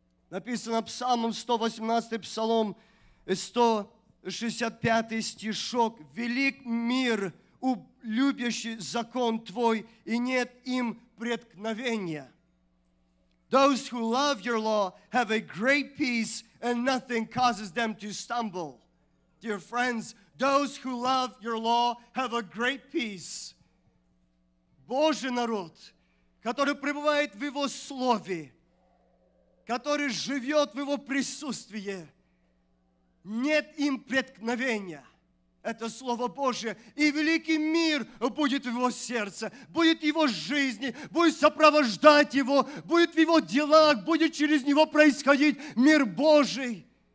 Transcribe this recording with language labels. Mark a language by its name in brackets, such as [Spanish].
[Russian] Написано Псалмом 118, Псалом 165 стишок. «Велик мир, любящий закон Твой, и нет им преткновения». [English] Those who love your law have a great peace, and nothing causes them to stumble. Dear friends, those who love your law have a great peace. [Russian] Божий народ, который пребывает в Его Слове, который живет в Его присутствии, нет им преткновения. Это Слово Божие. И великий мир будет в его сердце, будет в его жизни, будет сопровождать его, будет в его делах, будет через него происходить мир Божий.